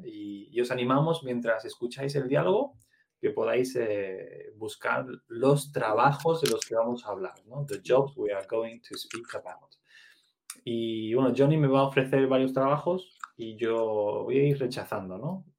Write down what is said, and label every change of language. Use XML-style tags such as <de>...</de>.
<es>Y os animamos, mientras escucháis el diálogo, que podáis buscar los trabajos de los que vamos a hablar, ¿no?</es> <en>The jobs we are going to speak about.</en> <es>Y bueno, Johnny me va a ofrecer varios trabajos y yo voy a ir rechazando, ¿no?</es>